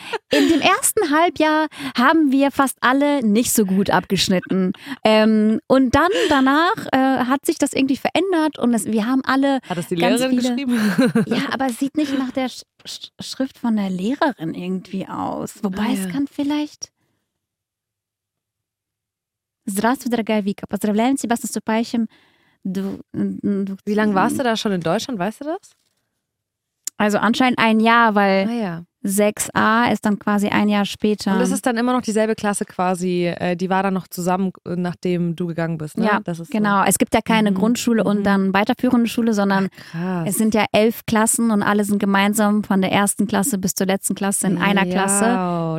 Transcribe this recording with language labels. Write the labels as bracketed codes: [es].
[de] In dem ersten Halbjahr haben wir fast alle nicht so gut abgeschnitten. Und dann danach hat sich das irgendwie verändert und es, wir haben alle. Hat das die Lehrerin viele, geschrieben? Ja, aber es sieht nicht nach der Schrift von der Lehrerin irgendwie aus. Wobei, ah, ja, es kann vielleicht. [ru] Здравствуй, дорогая Вика. Поздравляем тебя с наступающим... [de] Wie lange warst du da schon in Deutschland? Weißt du das? Also anscheinend ein Jahr, weil 6a ist dann quasi ein Jahr später. Und das ist dann immer noch dieselbe Klasse quasi, die war dann noch zusammen, nachdem du gegangen bist, ne? Ja, das ist genau. So. Es gibt ja keine Grundschule und dann weiterführende Schule, sondern es sind ja 11 Klassen und alle sind gemeinsam von der ersten Klasse bis zur letzten Klasse in einer Klasse.